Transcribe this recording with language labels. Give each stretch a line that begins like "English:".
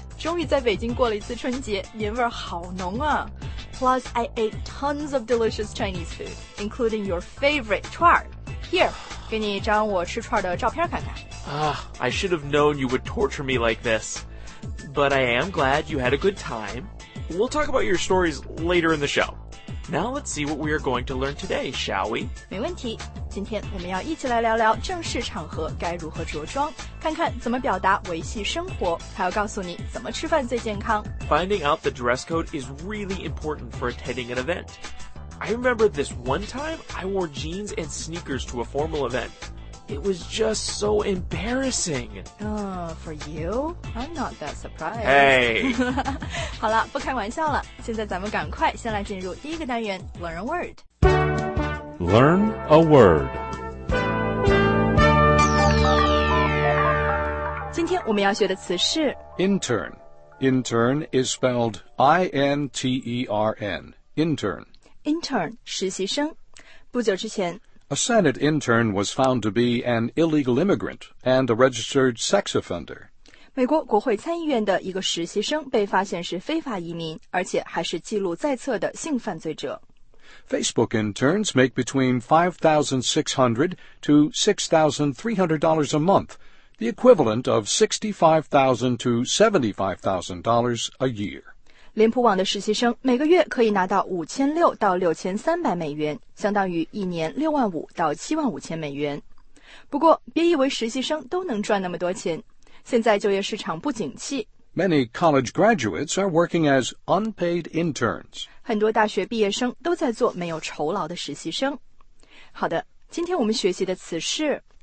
Chinese: 终于在北京过了一次春节，年味好浓啊 ！
English: Plus, I ate tons of delicious Chinese food, including your favorite 串儿。
Chinese: Here, 给你一张我吃串的照片看看。
English: I should have known you would torture me like this. But I am glad you had a good time. We'll talk about your stories later in the show. Now let's see what we are going to learn today, shall we?
Chinese: 没问题。今天我们要一起来聊聊正式场合该如何着装，看看怎么表达维系生活，还要告诉你怎么吃饭最健康。
English: Finding out the dress code is really important for attending an event. I remember this one time I wore jeans and sneakers to a formal event. It was just so embarrassing. For you? I'm not that surprised. Hey!
Chinese: 好了，不开玩笑了。现在咱们赶快先来进入第一个单元
English: Learn a word. Learn a word.
Chinese: 今天我们要学的词是
English: Intern. Intern is spelled I-N-T-E-R-N. Intern.
Chinese: Intern, 实习生。不久之前
English: A Senate intern was found to be an illegal immigrant and a registered sex offender.
Chinese: 美国国会参议院的一个实习生被发现是非法移民，而且还是记录在册的性犯罪者。
English: Facebook interns make between $5,600 to $6,300 a month, the equivalent of $65,000 to $75,000 a year.
Chinese: 脸谱网的实习生每个月可以拿到5600到6300美元，相当于一年65000到75000美元。不过，别以为实习生都能赚那么多钱。现在就业市场不景气。
English: Many college graduates are working as unpaid interns.
Chinese: 很多大学毕业生都在做没有酬劳的实习生。好的，今天我们学习的词是